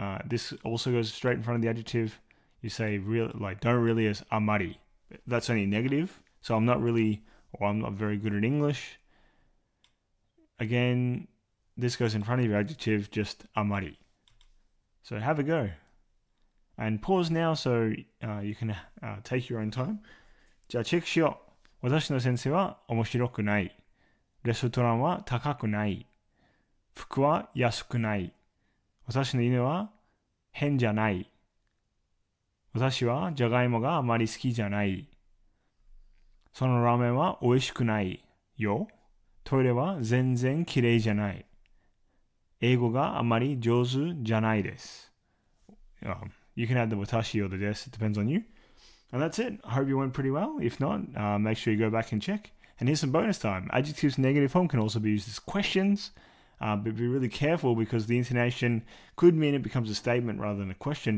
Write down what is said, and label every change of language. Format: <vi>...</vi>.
<en>This also goes straight in front of the adjective. You say real, like don't really as amari. That's only negative. So I'm not really, or I'm not very good at English. Again,This goes in front of your adjective, just amari. So have a go. And pause now so you can take your own time.</en> <ja>じゃあチェックしよう。私の先生は面白くない。レストランは高くない。服は安くない。私の犬は変じゃない。私はジャガイモがあまり好きじゃない。そのラーメンは美味しくないよ。トイレは全然きれいじゃない。英語があまり上手じゃないです。</ja> <en>You can add the watashi or the des, it depends on you. And that's it. I hope you went pretty well. If not, make sure you go back and check. And here's some bonus time. Adjectives in negative form can also be used as questions, but be really careful because the intonation could mean it becomes a statement rather than a question.</en>